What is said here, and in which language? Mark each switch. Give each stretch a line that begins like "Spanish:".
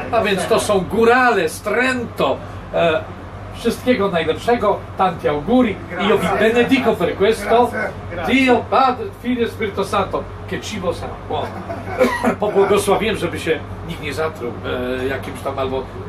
Polish: A więc to są górale z Trento. Wszystkiego najlepszego,
Italian: tanti auguri. Io vi benedico per questo. Dio, Padre, Figlio, Spirito Santo. Che cibo sarà buono.
Polish: Pobłogosławiłem, żeby się nikt nie zatruł jakimś tam albo...